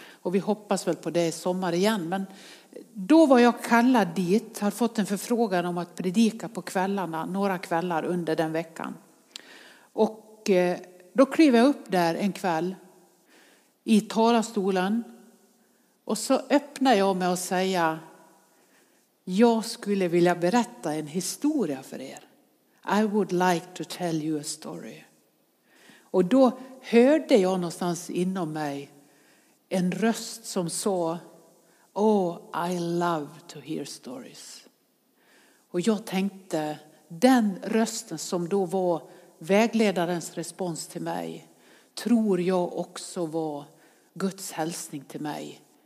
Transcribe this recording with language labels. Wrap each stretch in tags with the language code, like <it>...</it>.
<sv>Och vi hoppas väl på det i sommar igen. Men då var jag kallad dit, har fått en förfrågan om att predika på kvällarna, några kvällar under den veckan. Och då kliver jag upp där en kväll i talarstolen och så öppnar jag mig och säger, jag skulle vilja berätta en historia för er.</sv> <en>I would like to tell you a story.</en> <sv>Och då hörde jag någonstans inom mig en röst som sa,</sv> <en>oh, I love to hear stories.</en> <sv>Och jag tänkte, den rösten som då var vägledarens respons till mig, tror jag också var Guds hälsning till mig.</sv>